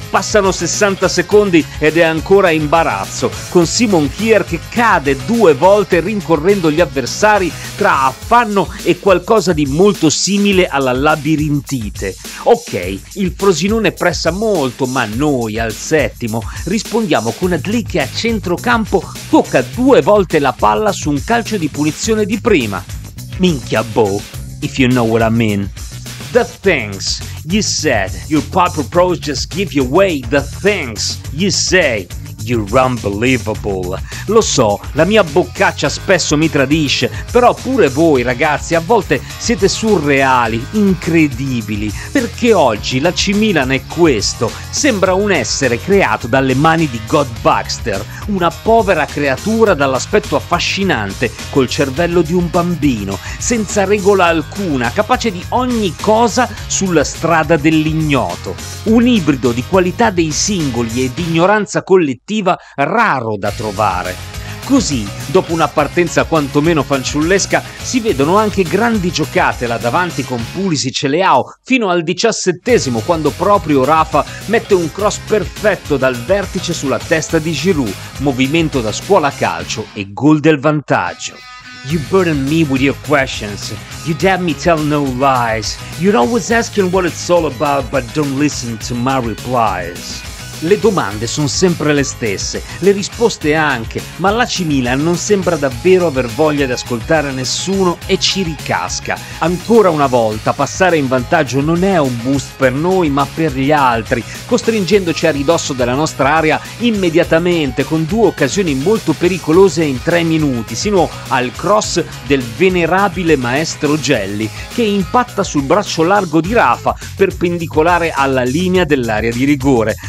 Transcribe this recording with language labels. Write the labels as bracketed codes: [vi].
[it] Passano 60 secondi ed è ancora imbarazzo, con Simon Kier che cade 2 volte rincorrendo gli avversari tra affanno e qualcosa di molto simile alla labirintite. Ok, il Frosinone pressa molto, ma noi al 7° rispondiamo con Adli che a centrocampo tocca 2 volte la palla su un calcio di punizione di prima. [en] Minchia, Bo, if you know what I mean. The things you said, your proper pros just give you away. The things you say, you're unbelievable. [it] Lo so, la mia boccaccia spesso mi tradisce, però pure voi ragazzi a volte siete surreali, incredibili, perché oggi la AC Milan è questo, sembra un essere creato dalle mani di God Baxter, una povera creatura dall'aspetto affascinante, col cervello di un bambino, senza regola alcuna, capace di ogni cosa sulla strada dell'ignoto, un ibrido di qualità dei singoli e di ignoranza collettiva raro da trovare. Così, dopo una partenza quantomeno fanciullesca, si vedono anche grandi giocate là davanti con Pulisic e Leao, fino al 17°, quando proprio Rafa mette un cross perfetto dal vertice sulla testa di Giroud, movimento da scuola calcio e gol del vantaggio. [en] You burden me with your questions. You damn me tell no lies. You're always asking what it's all about, but don't listen to my replies. [it] Le domande sono sempre le stesse, le risposte anche, ma l'AC Milan non sembra davvero aver voglia di ascoltare nessuno e ci ricasca. Ancora una volta, passare in vantaggio non è un boost per noi, ma per gli altri, costringendoci a ridosso della nostra area immediatamente, con 2 occasioni molto pericolose in 3 minuti, sino al cross del venerabile maestro Gelli, che impatta sul braccio largo di Rafa, perpendicolare alla linea dell'area di rigore.